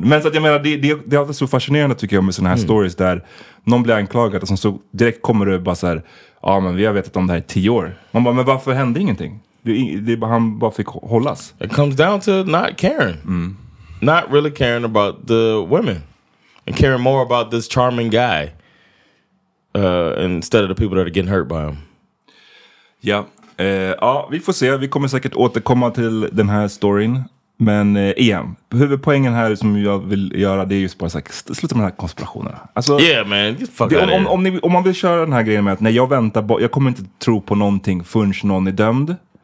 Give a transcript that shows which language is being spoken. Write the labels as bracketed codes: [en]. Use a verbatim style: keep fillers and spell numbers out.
[sv] Men så att jag menar, det, det, det är alltid så fascinerande tycker jag med såna här mm. stories där någon blir anklagad och som så direkt kommer det bara så här: ja, men vi har vetat om det här i tio år. Man bara, men varför hände ingenting? Det, det, han bara fick hållas. [en] It comes down to not caring. Mm. Not really caring about the women. And caring more about this charming guy. Uh, instead of the people that are getting hurt by him. [sv] Ja, eh, ja, vi får se. Vi kommer säkert återkomma till den här storyn. Men eh, igen, huvudpoängen här som jag vill göra, det är just bara så här, sluta med de här konspirationerna. Alltså, [en] yeah, man, fuck [sv] det, om, om, om, ni, om man vill köra den här grejen med att nej, jag väntar, bo- jag kommer inte tro på någonting förrän någon är dömd.